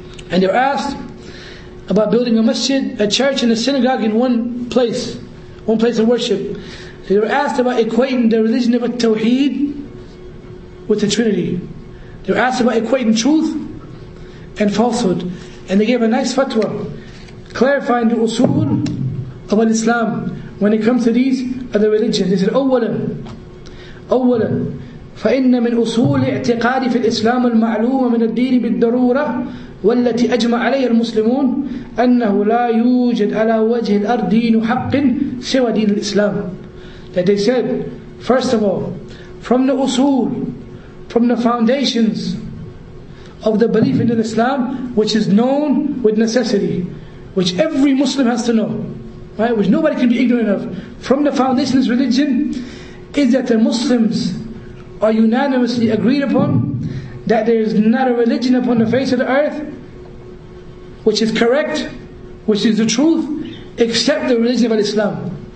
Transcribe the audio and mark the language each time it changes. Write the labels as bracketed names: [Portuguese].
[English] And you're asked about building a masjid, a church, and a synagogue in one place of worship. They were asked about equating the religion of Tawheed with the Trinity. They were asked about equating truth and falsehood. And they gave a nice fatwa, clarifying the usul of al-Islam when it comes to these other religions. They said, [Arabic] أولا فإن من أصول اعتقاد في الإسلام المعلومة من الدين بالضرورة والتي أجمع عليها المسلمون أنه لا يوجد على وجه الأرض دين حق سوى دين الإسلام. [English] That they said, first of all, from the usul, from the foundations of the belief in Islam, which is known with necessity, which every Muslim has to know, right? Which nobody can be ignorant of, from the foundations of religion, is that the Muslims are unanimously agreed upon that there is not a religion upon the face of the earth which is correct, which is the truth, except the religion of Islam.